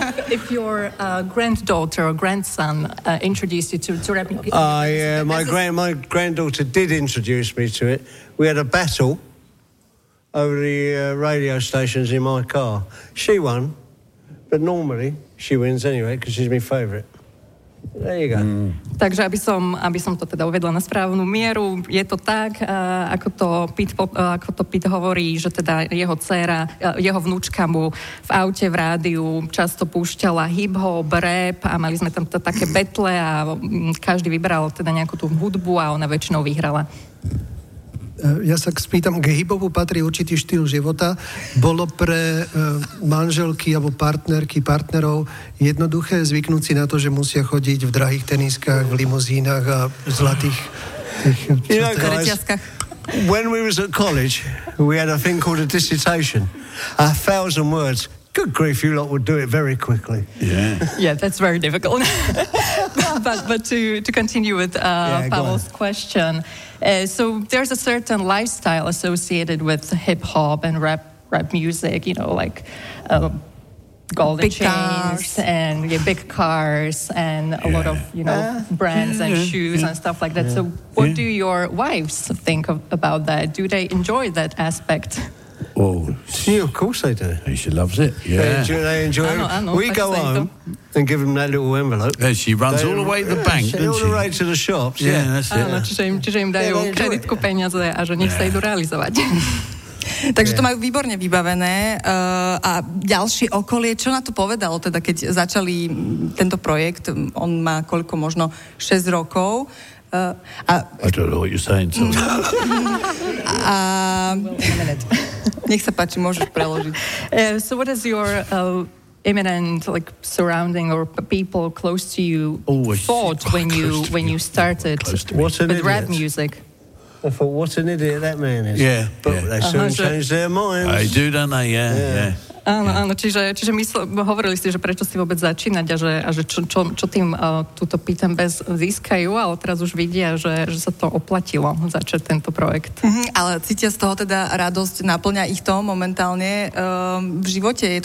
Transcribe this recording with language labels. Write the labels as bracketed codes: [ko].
[en] if your granddaughter or grandson introduced you to rap music. My granddaughter did introduce me to it. We had a battle over the radio stations in my car. She won, but normally she wins anyway because she's my favorite. There you go. Mm. [sk] Takže aby som to teda uvedla na správnu mieru, je to tak, ako to Pete hovorí, že teda jeho dcéra, jeho vnúčka mu v aute, v rádiu často púšťala hip-hop, rap a mali sme tam také betle a každý vybral teda nejakú tú hudbu a ona väčšinou vyhrala. Ja sa spýtam, k hip-hopu patrí určitý štýl života. Bolo pre manželky alebo partnerky, partnerov jednoduché zvyknúť si na to, že musia chodiť v drahých teniskách, v limuzínach a v zlatých [en] tých, you know, When we was at college, we had a thing called a dissertation. 1,000 words. Good grief, you lot would do it very quickly. Yeah. Yeah, that's very difficult. but to continue with Pavel's question. So there's a certain lifestyle associated with hip-hop and rap music, you know, like golden big chains cars. And yeah, big cars and a lot of, you know, brands and shoes and stuff like that. Yeah. So what do your wives think about that? Do they enjoy that aspect? Oh, yeah, of course they do. She loves it. Yeah, they enjoy it. We go home and give them that little envelope. Yeah, she runs all the way to the bank. All the way to the shops. Yeah, that's it. Ano, [sk] čiže im dajú kreditku peniaze a že nech sa idú realizovať. Takže to majú výborne vybavené. A ďalšie okolie, čo na to povedalo, teda keď začali tento projekt, on má koľko, možno 6 rokov. [en] I don't know what you're saying, so. [sk] Nech sa páči, môžeš preložiť. [en] So what is your imminent like surrounding or people close to you thought when you started with rap music? I thought, what an idiot that man is. Yeah. But they soon change their minds. They do, don't they? Yeah, yeah. [sk] Áno, čiže hovorili ste, že prečo si vôbec začínať a že čo tým túto pýtam bez získajú, ale teraz už vidia, že sa to oplatilo začať tento projekt. Ale cítia z toho teda radosť, naplňa ich to momentálne v živote?